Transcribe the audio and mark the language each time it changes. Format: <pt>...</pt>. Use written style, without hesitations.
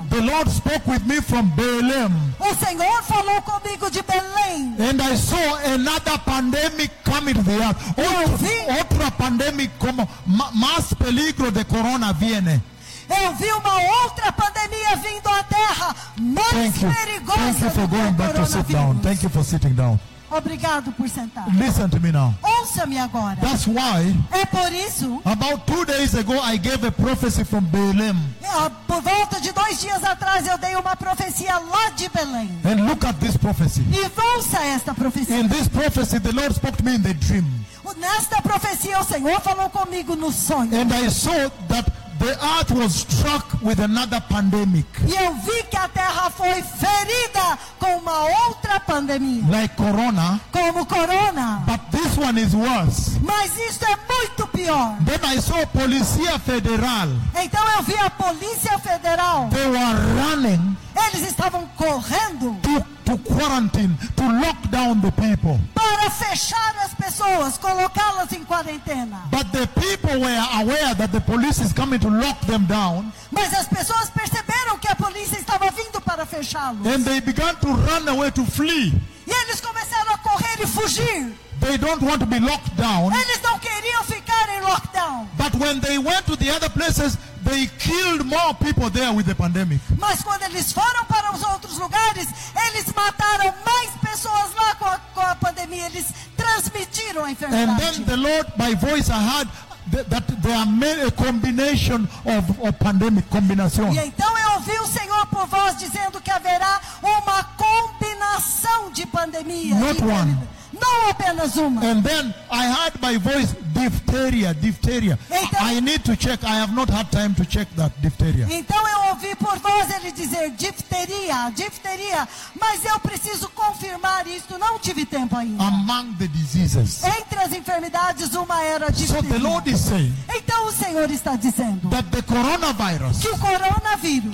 <en>The Lord spoke with me from Belém.</en> <pt>O Senhor falou comigo de Belém.</pt> <en>And I saw another pandemic coming to the earth.</en> <pt>Outra pandemia como mais perigo de corona viene. Eu vi uma outra pandemia vindo à Terra, mais perigosa.</pt> <en>Thank you for going back to sit down. Thank you for sitting down.</en> <pt>Obrigado por sentar.</pt> <en>Listen to me now.</en> <pt>Ouça-me agora.</pt> <en>That's why.</en> <pt>É por isso.</pt> <en>About 2 days ago, I gave a prophecy from Belém.</en> <pt>Por volta de 2 dias atrás, eu dei uma profecia lá de Belém.</pt> <en>And look at this prophecy.</en> <pt>E ouça esta profecia.</pt> <en>In this prophecy, the Lord spoke to me in the dream.</en> <pt>Nesta profecia o Senhor falou comigo no sonho.</pt> <en>And I saw that the earth was struck with another pandemic.</en> <pt>E eu vi que a terra foi ferida com uma outra pandemia.</pt> <en>Like corona.</en> <pt>Como corona.</pt> <en>But this one is worse.</en> <pt>Mas isto é muito pior.</pt> <en>Then I saw Polícia Federal.</en> <pt>Então eu vi a Polícia Federal.</pt> <en>They were running.</en> <pt>Eles estavam correndo.</pt> <en>To quarantine, to lock down the people.</en> <pt>Para fechar as pessoas, colocá-las em quarentena.</pt> <en>But the people were aware that the police is coming to lock them down.</en> <pt>Mas as pessoas perceberam que a polícia estava vindo para fechá-los.</pt> <en>And they began to run away, to flee.</en> <pt>E eles começaram a correr e fugir.</pt> <en>They don't want to be locked down.</en> <pt>Eles não queriam ficar em lockdown.</pt> <en>But when they went to the other places, they killed more people there with the pandemic.</en> <pt>Mas quando eles foram para os outros lugares, eles mataram mais pessoas lá com a pandemia. Eles transmitiram a enfermidade.</pt> <en>And then the Lord, by voice I heard, that there are many a combination of pandemic combination.</en> <pt>E então eu ouvi o Senhor por voz dizendo que haverá uma combinação de pandemias.</pt> <en>Not one.</en> <pt>Não apenas uma.</pt> <en>And then I heard my voice, diphtheria.</en> <pt>Então,</pt> <en>I need to check. I have not had time to check that diphtheria.</en> <pt>Então eu ouvi por voz ele dizer diphtheria, mas eu preciso confirmar isso. Não tive tempo ainda.</pt> <en>Among the diseases.</en> <pt>Entre as enfermidades, uma era diphtheria.</pt> <en>So the Lord is saying.</en> <pt>Então o Senhor está dizendo.</pt> <en>That the coronavirus.</en> <pt>Que o coronavírus.</pt>